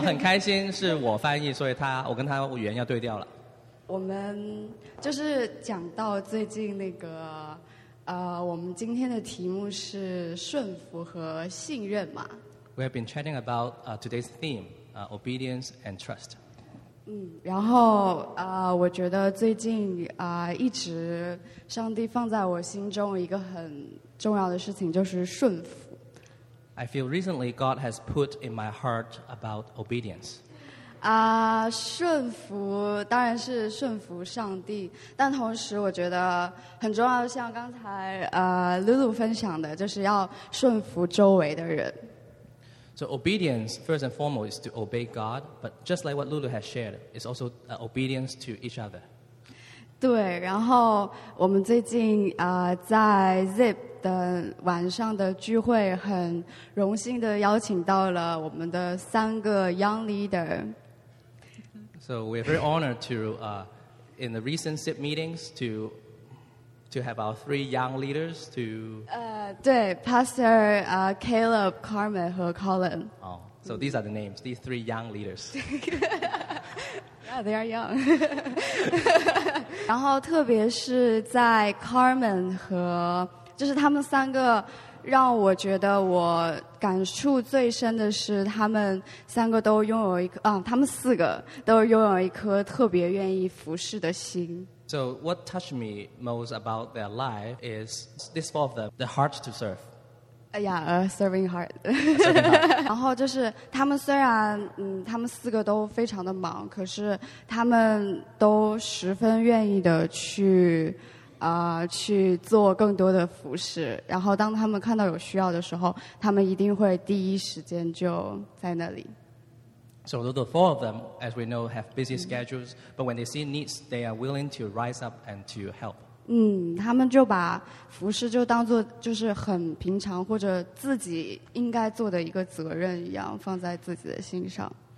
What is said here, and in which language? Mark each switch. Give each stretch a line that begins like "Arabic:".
Chinese: 很开心是我翻译，所以我跟他语言要对调了。我们就是讲到最近那个，我们今天的题目是顺服和信任嘛。
English: We have been chatting about today's theme, obedience and trust.
Chinese: 然后我觉得最近一直上帝放在我心中一个很重要的事情就是顺服。
English: I feel recently God has put in my heart about obedience.
Chinese: 顺服当然是顺服上帝，但同时我觉得很重要的像刚才Lulu 分享的，就是要顺服周围的人。
English: So obedience, first and foremost, is to obey God. But just like what Lulu has shared, it's also obedience to each other.
Chinese: 对，然后我们最近在 Zip 的晚上的聚会，很荣幸的邀请到了我们的三个
English: young leader. So we're very honored to, in the recent Zip meetings, to have our three young leaders to...
Chinese: 对 Pastor Caleb, Carmen 和 Colin.
English: Oh, so these are the names, these three young leaders. Yeah, they are young.
Chinese: 然后特别是在 Carmen 和就是他们三个让我觉得我感触最深的是他们三个都拥有一颗啊，他们四个都拥有一颗特别愿意服侍的心。
English: So what touched me most about their life is this four of them, the heart to serve. Serving heart.
Chinese: 然后就是他们虽然他们四个都非常的忙，可是他们都十分愿意的去去做更多的服侍。然后当他们看到有需要的时候，他们一定会第一时间就在那里。
English: So the four of them, as we know, have busy schedules, but when they see needs, they are willing to rise up and to help.
Chinese: 他们就把服侍就当作就是很平常或者自己应该做的一个责任一样放在自己的心上。